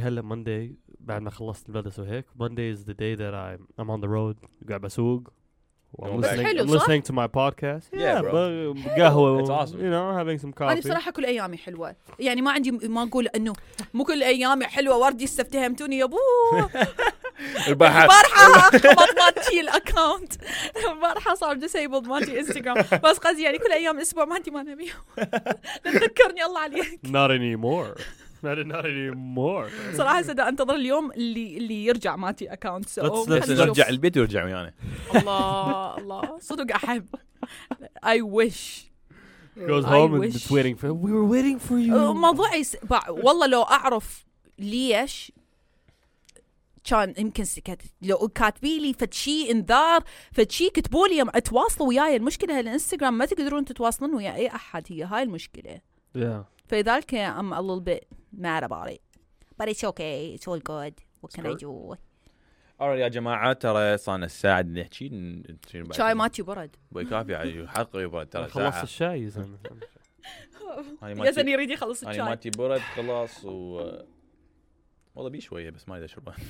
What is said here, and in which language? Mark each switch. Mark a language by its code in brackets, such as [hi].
[ar] هلا Monday بعد ما خلصت البلدس وهيك. [en] Monday is the day that I'm on the road. [ar] قاعد بسوق. [en] I'm listening to my podcast. Yeah, bro. قهوة. It's awesome. You know, having some coffee. [ar] أنا بصراحة كل أيامي حلوة. يعني ما عندي ما أقول إنه مو كل أيامي حلوة. وردي استفتهمتوني يا أبو. البارحة خبط ماتي الأكاونت. البارحة صار disabled ماتي إنستغرام. بس قصدي يعني كل أيام الأسبوع ماتي ما نبيه. نذكرني الله عليك. [en] Not anymore. Not anymore. [ar] صراحة سأبدأ أنتظر اليوم اللي يرجع ماتي أكاونت. نرجع البيت ويرجع ويانا. الله صدق أحب. [en] I wish. Goes home and is waiting for. We were waiting for you. [ar] موضوعي والله لو أعرف ليش كان يمكن سكت لو كاتبي لي فتشي انذار فتشي كتبوا لي اتواصلوا وياي المشكلة هالإنستغرام ما تقدرون تتواصلون ويا أي أحد هي هاي المشكلة. [en] فلذلك I'm a little bit mad about it. But it's okay. It's all good. What can I do? [ar] Alright, يا جماعة ترى صانع الساعد نحكي شاي ماتي برد. بكافي عادي حق برد ترى. خلص الشاي يزن. يزن يريد يخلص الشاي. ماتي برد خلاص و. والله بي شويه بس ما ادري اشربها.